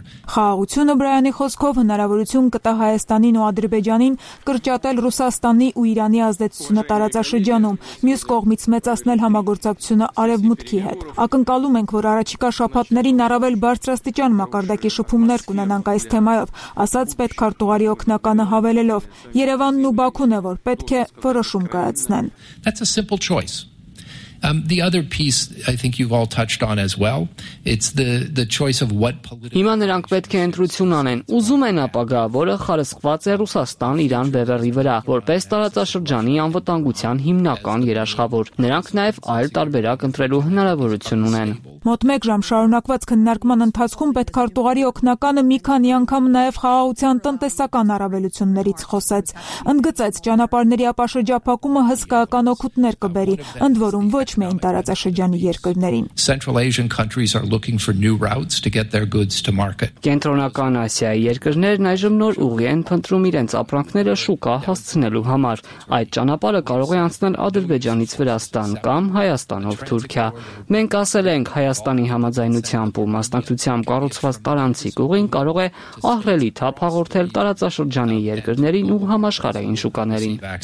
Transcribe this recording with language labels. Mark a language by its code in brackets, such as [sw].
[hy] Խաղաղությունը Օ'Բրայանի խոսքով հնարավորություն կտա Հայաստանին ու Ադրբեջանին կրճատել Ռուսաստանի ու Իրանի ազդեցությունը տարածաշրջանում, մյուս կողմից մեծացնել համագործակցությունը Արևմուտքի հետ։ Ակնկալում ենք, որ առաջիկա շաբաթներին առավել բարձրաստիճան մակարդակի շփումներ կունենանք այս թեմայով, ասաց պետքարտուղարի օգնականը հավելելով. Երևանն ու Բաքուն է, որ պետք է որոշում կայացնեն։ [en] The other piece I think you've all touched on as well, it's the choice of what political [hy] Հիմա նրանք պետք է ընտրություն անեն, ուզում են ապագա, որը խարսխված է Ռուսաստան-Իրան բևեռի վրա, որպես տարածաշրջանի անվտանգության հիմնական երաշխավոր։ Նրանք նաև այլ տարբերակ ընտրելու հնարավորություն ունեն։ Մոտ 1 ժամ շարունակված քննարկման ընթացքում պետքարտուղարի օկնականը մի քանի անգամ նաև խաղաղության տնտեսական առավելություններից խոսեց, ընդգծեց ճանապարհների ապաշրջափակումը հսկայական օգուտներ կբերի, ընդ որում ոչ միայն տարածաշրջանի երկրներին։ [en] Central Asian countries are looking for new routes to get their goods to market. [hy] Կենտրոնական Ասիայի երկրներն այժմ նոր ուղի են փնտրում իրենց ապրանքները շուկա հասցնելու համար։ Այդ ճանապարհը կարող է անցնել Ադրբեջանից Վրաստան կամ Հայաստանով Թուրքիա։ Մենք ասել ենք, Հայաստանի համաձայնությամբ ու մասնակցությամբ կառուցված տարածքի ուղին կարող է ահռելի թափ հաղորդել տարածաշրջանի երկրներին ու համաշխարհային շուկաներին։